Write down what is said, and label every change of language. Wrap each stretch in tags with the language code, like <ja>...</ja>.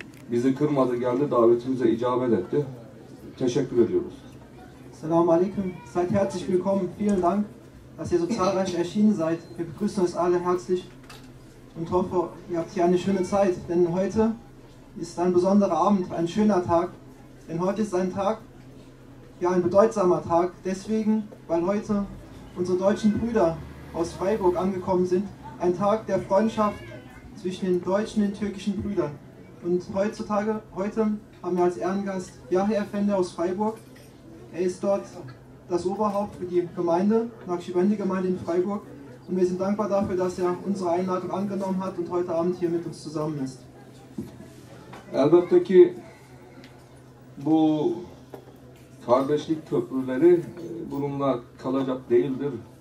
<tr>Bizi kırmadı, geldi, davetimize icabet etti. Teşekkür ediyoruz.</tr> <de>Selamun Aleyküm. Seid herzlich willkommen. Vielen Dank, dass ihr so zahlreich erschienen seid. Wir begrüßen euch alle herzlich und hoffe, ihr habt hier eine schöne Zeit. Denn heute ist ein besonderer Abend, ein schöner Tag. Denn heute ist ein Tag, ja, ein bedeutsamer Tag. Deswegen, weil heute unsere deutschen Brüder aus Freiburg angekommen sind. Ein Tag der Freundschaft zwischen den deutschen und den türkischen Brüdern. Und heute haben wir als Ehrengast Yahya Efendi aus Freiburg. Er ist dort das Oberhaupt für die Gemeinde, Nakschibendi-Gemeinde in Freiburg. Und wir sind dankbar dafür, dass er unsere Einladung angenommen hat und heute Abend hier mit uns zusammen ist.</de> <tr>Elbette ki bu kardeşlik köprüleri bununla kalacak değildir.</tr>